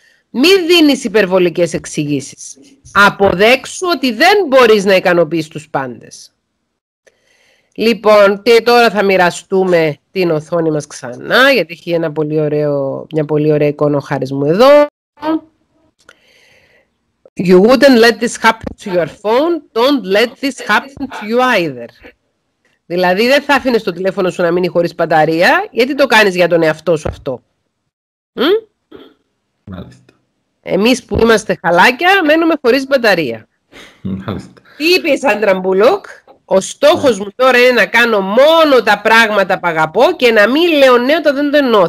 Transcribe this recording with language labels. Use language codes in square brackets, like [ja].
[el] Μην δίνεις υπερβολικές εξηγήσεις. Αποδέξου ότι δεν μπορείς να ικανοποιείς τους πάντες. Λοιπόν, και τώρα θα μοιραστούμε την οθόνη μας ξανά, γιατί έχει ένα πολύ ωραίο, μια πολύ ωραία εικόνα ο Χάρης μου εδώ. [en] You wouldn't let this happen to your phone, don't let this happen to you either. [el] Δηλαδή, δεν θα αφήνεις το τηλέφωνο σου να μείνει χωρίς μπαταρία, γιατί το κάνεις για τον εαυτό σου αυτό. Μάλιστα. Εμείς που είμαστε χαλάκια, μένουμε χωρίς μπαταρία. Μάλιστα. Τι είπες, Άντρα Μπούλοκ? Ο στόχος μου τώρα είναι να κάνω μόνο τα πράγματα που αγαπώ και να μην λέω ναι όταν δεν το εννοώ.